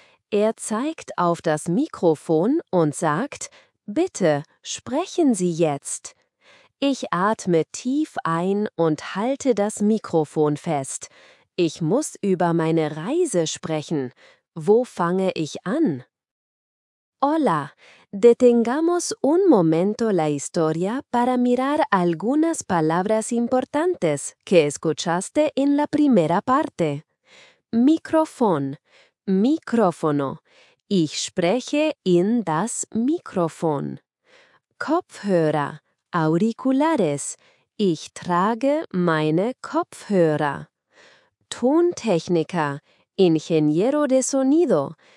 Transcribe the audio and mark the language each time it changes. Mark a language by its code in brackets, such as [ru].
[de] Er zeigt auf das Mikrofon und sagt: "Bitte, sprechen Sie jetzt." Ich atme tief ein und halte das Mikrofon fest. Ich muss über meine Reise sprechen. Wo fange ich an? [es] Hola, detengamos un momento la historia para mirar algunas palabras importantes que escuchaste en la primera parte. [de] Mikrofon, micrófono. Ich spreche in das Mikrofon. Kopfhörer, auriculares. Ich trage meine Kopfhörer. [es] Tontechniker, ingeniero de sonido.